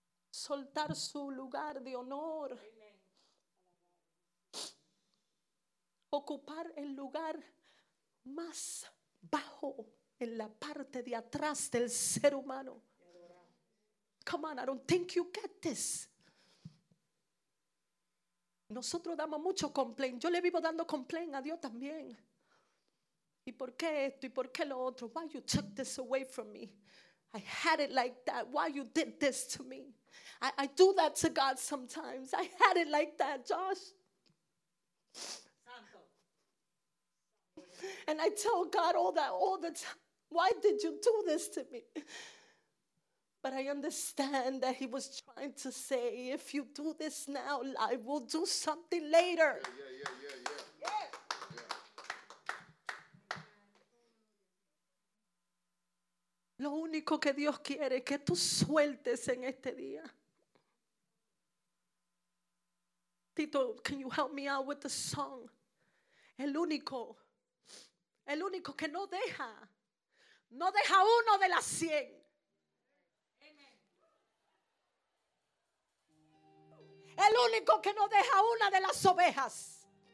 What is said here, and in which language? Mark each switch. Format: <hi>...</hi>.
<es>Soltar su lugar de honor. Ocupar el lugar más bajo en la parte de atrás del ser humano.</es> <en>Come on, I don't think you get this.</en> <es>Nosotros damos mucho complaint. Yo le vivo dando complaint a Dios también. ¿Y por qué esto? ¿Y por qué lo otro?</es> <en>Why you took this away from me? I had it like that. Why you did this to me? I do that to God sometimes. I had it like that, Josh. And I tell God all that all the time. Why did you do this to me? But I understand that he was trying to say, if you do this now, I will do something later.</en> <es>Lo único que Dios quiere es que tú sueltes en este día.</es> <en>Tito, can you help me out with the song?</en> <es>El único que no deja, no deja uno de las cien. El único que no deja una de las ovejas.</es>